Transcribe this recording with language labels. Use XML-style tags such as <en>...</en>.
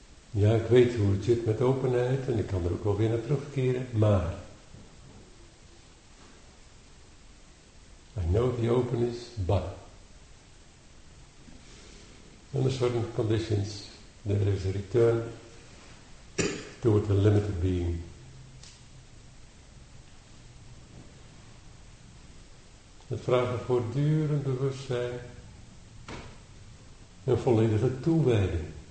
<nl>Ja, ik weet hoe het zit met openheid en ik kan er ook wel weer naar terugkeren, maar</nl> <en>I know the openness, but.</en> <nl>En er zijn conditions</nl> <en>there is a return toward the limited being.</en> <nl>Het vragen voortdurend bewustzijn en volledige toewijding.</nl>